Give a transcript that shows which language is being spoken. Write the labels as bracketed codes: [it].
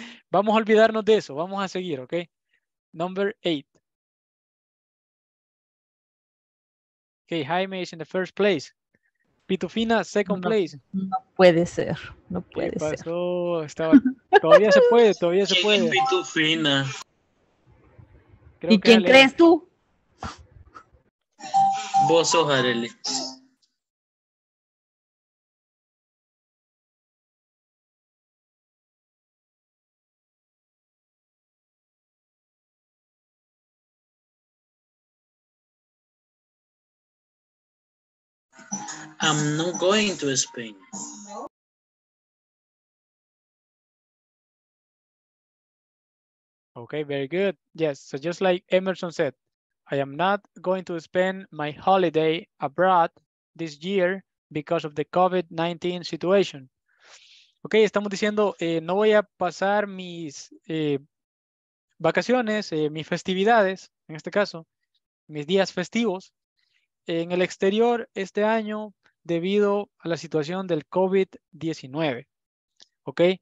[es] Vamos a olvidarnos de eso, vamos a seguir, ok. [en] Number 8. Ok, Jaime is in the first place. Pitufina, second no, place. [es] No puede ser. ¿Qué pasó? Todavía se puede. ¿Quién es Pitufina? Creo ¿Y quién Ale... crees tú? Vos sos Arely. [en] I'm not going to Spain. Okay, very good. Yes, so just like Emerson said, I am not going to spend my holiday abroad this year because of the COVID-19 situation. [es] Okay, estamos diciendo, no voy a pasar mis vacaciones, mis festividades, en este caso, mis días festivos, en el exterior este año, debido a la situación del COVID-19, ¿ok?